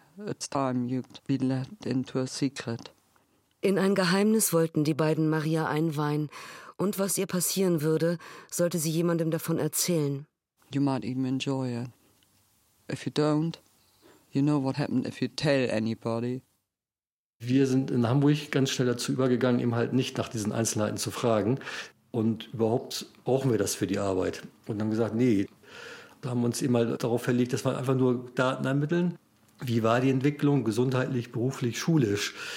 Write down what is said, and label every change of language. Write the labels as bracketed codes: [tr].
[en] It's time you be let into a secret. [de] In ein Geheimnis wollten die beiden Maria einweihen. Und was ihr passieren würde, sollte sie jemandem davon erzählen. [en] You might even enjoy it. If you don't, you know what happened if you tell anybody. [de] Wir sind in Hamburg ganz schnell dazu übergegangen, eben halt nicht nach diesen Einzelheiten zu fragen. Und überhaupt brauchen wir das für die Arbeit. Und haben gesagt, nee. Da haben wir uns eben mal darauf verlegt, dass wir einfach nur Daten ermitteln. Wie war die Entwicklung gesundheitlich, beruflich, schulisch?